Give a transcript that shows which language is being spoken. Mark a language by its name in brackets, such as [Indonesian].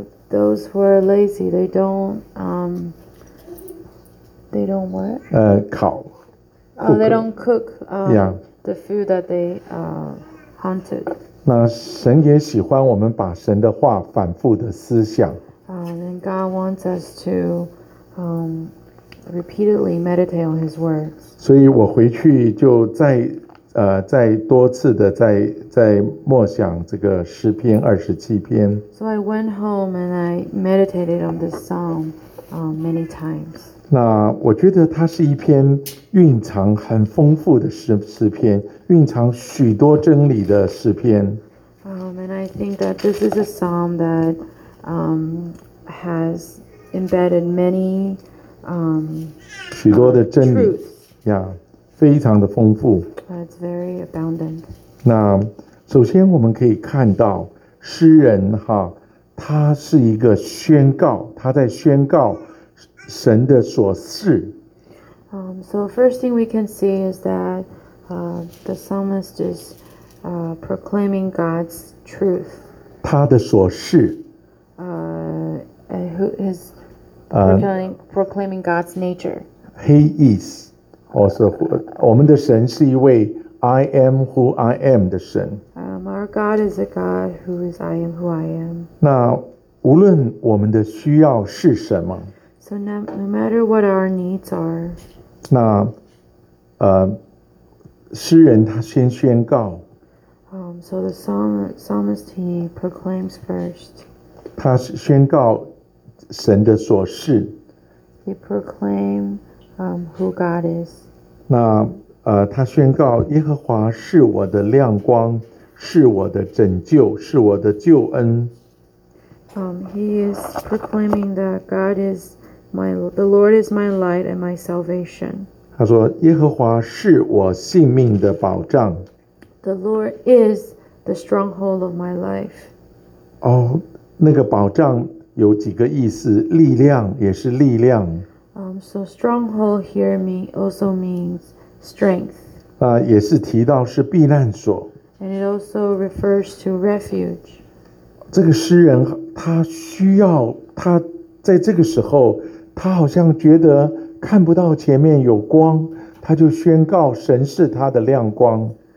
[English] Those who are lazy, they don't what? [Chinese] 烤。 [English] They don't cook. The food that they hunted. [Chinese] 那神也喜欢我们把神的话反复的思想。 [English] And God wants us to repeatedly meditate on His words. [Chinese] 所以我回去就在。再多次的在默想这个诗篇二十七篇。 [English] So I went home and I meditated on this psalm, many times. [Chinese] 那我觉得它是一篇蕴藏很丰富的诗篇，蕴藏许多真理的诗篇。 [English] And I think that this is a psalm that, has embedded many, [Chinese] 许多的真理。非常的丰富。 [English] It's very abundant. [Chinese] 那首先我们可以看到诗人哈，他是一个宣告，他在宣告神的所事。 [English] So first thing we can see is that the psalmist is proclaiming God's truth. [Chinese] 他的所事。 [English] His proclaiming God's nature. He is. [Chinese] 我们的神是一位 I am who I am 的神。 [English] Our God is a God who is I am who I am. [Chinese] 那无论我们的需要是什么。 [English] So no matter what our needs are. [Chinese] 那诗人他先宣告。 [English] So the psalmist he proclaims first. [Chinese] 他宣告神的所事。 [English] He proclaim who God is. [Chinese] 那他宣告耶和华是我的亮光，是我的拯救，是我的救恩。 [English] He is proclaiming that God is the Lord is my light and my salvation. [Chinese] 他说耶和华是我性命的保障。 [English] The Lord is the stronghold of my life. [Chinese] 那个保障有几个意思，力量也是力量。 [English] So stronghold here also means strength. [Chinese] 也是提到是避难所。 [English] And it also refers to refuge. [Chinese] 这个诗人他需要他在这个时候他好像觉得看不到前面有光，他就宣告神是他的亮光。